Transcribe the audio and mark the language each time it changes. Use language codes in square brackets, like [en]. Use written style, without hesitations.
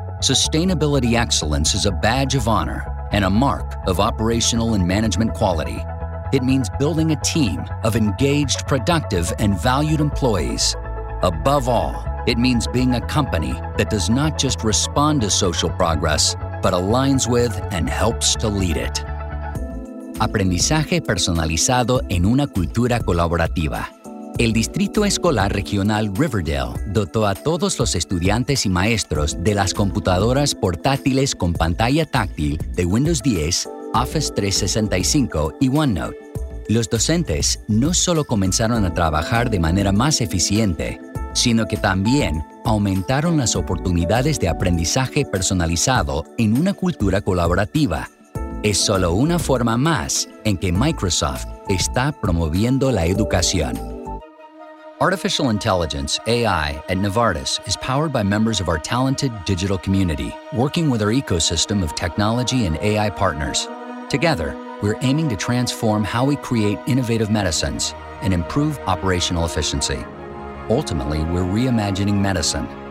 [en] Sustainability excellence is a badge of honor and a mark of operational and management quality. It means building a team of engaged, productive, and valued employees. Above all, it means being a company that does not just respond to social progress, but aligns with and helps to lead it. [es] Aprendizaje personalizado en una cultura colaborativa. El Distrito Escolar Regional Riverdale dotó a todos los estudiantes y maestros de las computadoras portátiles con pantalla táctil de Windows 10, Office 365 y OneNote. Los docentes no solo comenzaron a trabajar de manera más eficiente, sino que también aumentaron las oportunidades de aprendizaje personalizado en una cultura colaborativa. Es solo una forma más en que Microsoft está promoviendo la educación. [en] Artificial intelligence, AI, at Novartis is powered by members of our talented digital community, working with our ecosystem of technology and AI partners. Together, we're aiming to transform how we create innovative medicines and improve operational efficiency. Ultimately, we're reimagining medicine